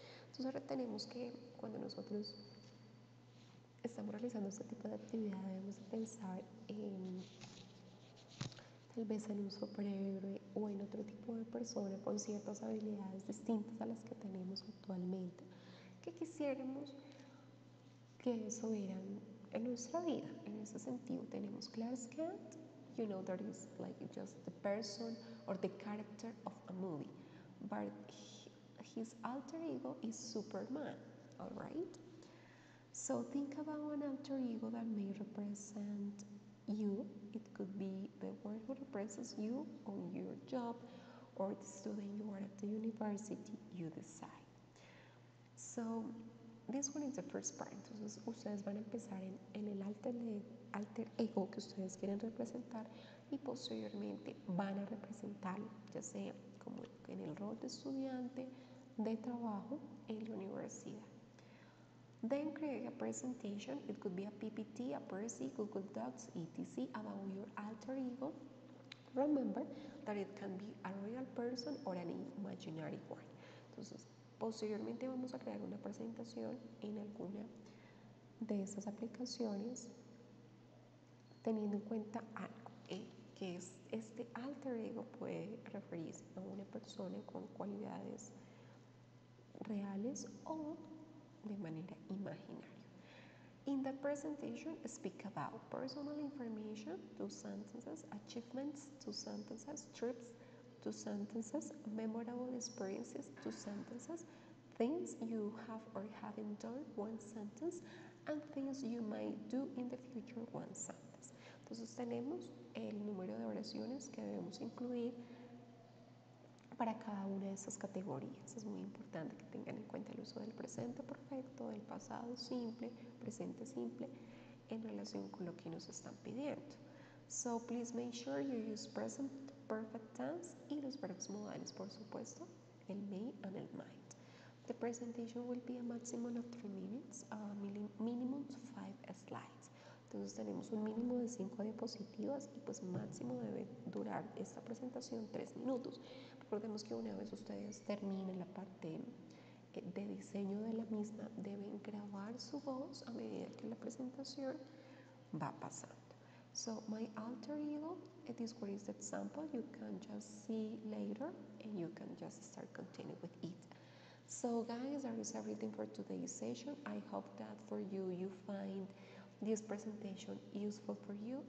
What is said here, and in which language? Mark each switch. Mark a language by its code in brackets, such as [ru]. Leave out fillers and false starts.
[es] Entonces, ahora tenemos que cuando nosotros estamos realizando este tipo de actividad, debemos pensar en tal vez en un superhéroe o en otro tipo de persona con ciertas habilidades distintas a las que tenemos actualmente, que quisiéramos que eso era en nuestra vida. En ese sentido, tenemos [en] Clark Kent, you know, that is like just the person or the character of a movie, but his alter ego is Superman, all right? So think about an alter ego that may represent you. It could be the one who represents you on your job or the student you are at the university, you decide. So this one is the first part. [es] Entonces ustedes van a empezar en el alter ego que ustedes quieren representar y posteriormente van a representar, ya sea como en el rol de estudiante, de trabajo en la universidad. [en] Then create a presentation. It could be a PPT, a Prezi, Google Docs, etc. about your alter ego. Remember that it can be a real person or an imaginary one. [es] Entonces, posteriormente vamos a crear una presentación en alguna de esas aplicaciones teniendo en cuenta algo, que es este alter ego puede referirse a una persona con cualidades reales o de manera imaginaria. [en] In the presentation, speak about personal information, 2 sentences, achievements, 2 sentences, trips, 2 sentences, memorable experiences, 2 sentences, things you have or haven't done, 1 sentence, and things you might do in the future, 1 sentence. [es] Entonces tenemos el número de oraciones que debemos incluir para cada una de esas categorías. Es muy importante que tengan en cuenta el uso del presente perfecto, del pasado simple, presente simple, en relación con lo que nos están pidiendo. [en] So please make sure you use present perfect tense [es] y los verbos modales, por supuesto, el [en] may and el might. The presentation will be a maximum of 3 minutes, minimum 5 slides. [es] Entonces tenemos un mínimo de 5 diapositivas y pues máximo debe durar esta presentación 3 minutos. Recordemos que una vez ustedes terminen la parte de diseño de la misma, deben grabar su voz a medida que la presentación va pasando. [en] So, my alter ego, this one is the example, you can just see later and you can just start continuing with it. So, guys, that is everything for today's session. I hope that for you, you find this presentation useful for you.